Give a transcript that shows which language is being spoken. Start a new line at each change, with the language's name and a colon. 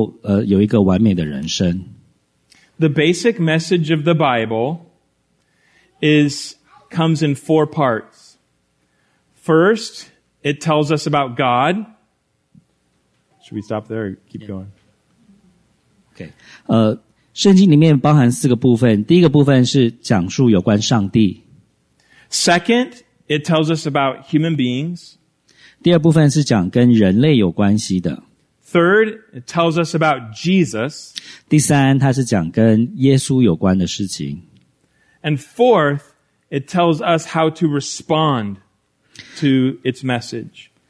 Chinese: 所以说圣经是上帝的话，它传递上帝的讯息，借由这个讯息能够让我们真的活出真实，然后才能够有一个完美的人生。
English: The basic message of the Bible comes in four parts. First, it tells us about God. Should we stop there or keep going? Okay.
Chinese: 圣经里面包含四个部分。第一个部分是讲述有关上帝。
English: Second, it tells us about human beings.
Chinese: 第二部分是讲跟人类有关系的。
English: Third, it tells us about Jesus.
Chinese: 第三，它是讲跟耶稣有关的事情。
English: And fourth, it tells us how to respond to its message.